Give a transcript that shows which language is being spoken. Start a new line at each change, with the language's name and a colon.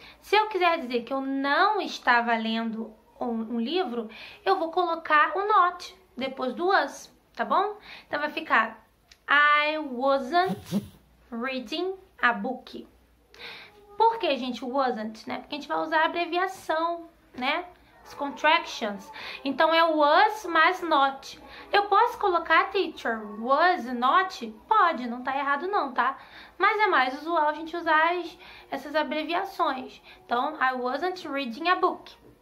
Portuguese: Se eu quiser dizer que eu não estava lendo um livro, eu vou colocar o not depois do was, tá bom? Então vai ficar
English: I wasn't reading a book.
Portuguese: Por que, gente, wasn't, né? Porque a gente vai usar a abreviação, né? contractions. Então é was mais not. Eu posso colocar
English: teacher was not?
Portuguese: Pode, não tá errado não, tá? Mas é mais usual a gente usar essas abreviações. Então,
English: I wasn't reading a book.